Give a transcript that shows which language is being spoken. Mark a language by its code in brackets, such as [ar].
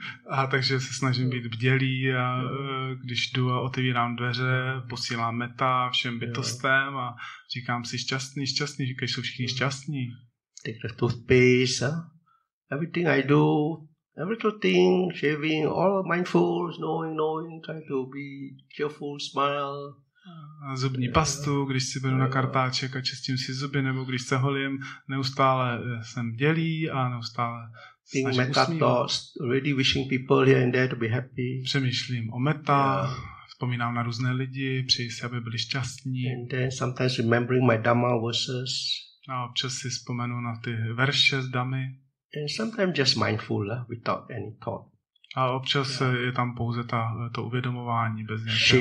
[cs] A takže se snažím být bdělý a když jdu a otevírám dveře, posílám metta všem bytostem a říkám si šťastný, když jsou všichni šťastní. [en] Take the toothpaste, everything I do, every little thing, shaving, all mindful, knowing, try to be cheerful, smile. [cs] A zubní pastu, když si beru na kartáček a čistím si zuby, nebo když se holím, neustále jsem bdělý a neustále [en] think metta thoughts, already wishing people here and there to be happy. [cs] Přemýšlím o metta, vzpomínám na různé lidi, přeji si, aby byli šťastní. [en] And then sometimes remembering my Dhamma verses. [cs] A občas si vzpomenu na ty verše z Dhammy. [en] Sometimes just mindful, without any thought. [cs] A občas je tam pouze to uvědomování bez nějakého.